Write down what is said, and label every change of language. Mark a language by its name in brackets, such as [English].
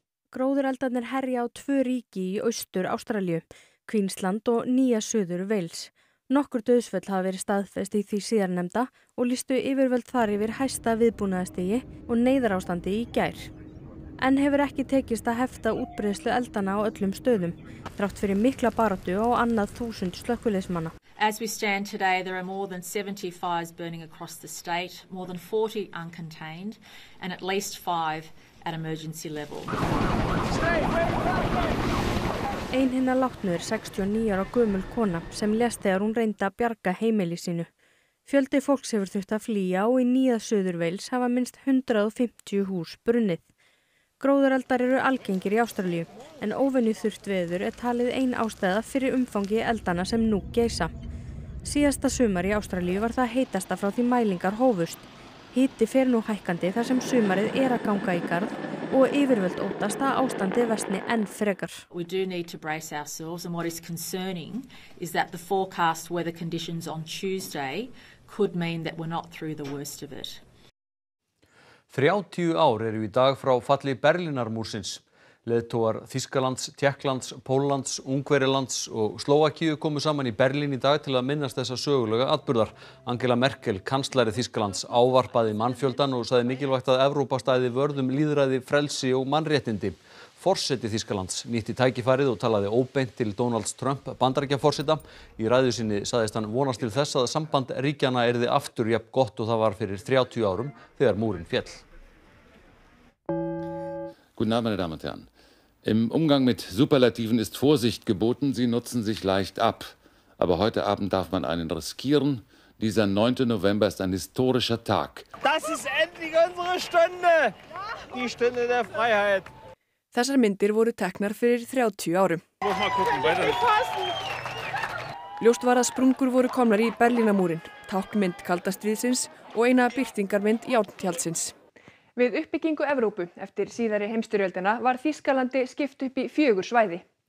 [Icelandic] Gróður eldarnir herja á 2 ríki í austur Ástralíu, Queensland og Nýja Suður Wales. Nokkur dauðsföll hafa verið staðfest í því síðarnefnda og lýstu yfirvöld þar yfir hæsta viðbúnaðastigi og neyðarástandi í gær. En hefur ekki tekist að hefta útbreiðslu eldana á öllum stöðum, þrátt fyrir mikla baráttu og annað 1000 slökkviliðsmanna. [English] As we stand today, there are more than 70 fires burning across the state, more than 40 uncontained and at least 5 at emergency level. [Icelandic] Ein hinna látnu 69 ára gömul kona sem lést þegar hún reyndi að bjarga heimili sínu. Fjöldi fólks hefur þurft að flýja og í Nýja Suður Wales hafa minnst 150 hús brunnið. Gróðureldar eru algengir í Ástralíu, en óvenju þurft veður talið ein ástæða fyrir umfangi eldana sem nú geisa. Síðasta sumar í Ástralíu var það heitasta frá því mælingar hófust. Hiti fer nú hækkandi þar sem sumarið að ganga í garð og yfirvöld óttast að ástandið versni enn frekar. [English] We do need to brace ourselves and what is concerning is that the forecast weather conditions on Tuesday could mean that we're not through the worst of it. [Icelandic] 30 ár eru í dag frá falli Berlínarmúrsins. Leiðtogar Þýskalands, Tékklands, Póllands, Ungverjalands og Slóvakíu komu saman í Berlín í dag til að minnast þessa sögulega atburðar. Angela Merkel, kanslari Þýskalands, ávarpaði mannfjöldan og sagði mikilvægt að Evrópa stæði vörðum lýðræði, frelsi og mannréttindi. Forseti Þýskalands nýtti tækifærið og talaði óbeint til Donalds Trump, Bandaríkjaforseta. Í ræðu sinni sagðist hann vonast til þess að samband ríkjanna yrði aftur jafn gott og það var fyrir 30 árum þegar múrinn féll. [German] Guten Abend, meine Damen und Herren. Im Umgang mit Superlativen ist Vorsicht geboten, sie nutzen sich leicht ab. Aber heute Abend darf man einen riskieren. Dieser 9. November ist ein historischer Tag. Das ist endlich unsere Stunde! Die Stunde der Freiheit! [Icelandic] Þessar myndir voru teknar fyrir 30 árum. Ljóst var að sprungur voru komnar í Berlínamúrin, táknmynd kalda stríðsins og eina birtingarmynd járntjaldsins. Við uppbyggingu Evrópu eftir síðari heimstyrjöldina var Þýskalandi skipt upp í 4 svæði.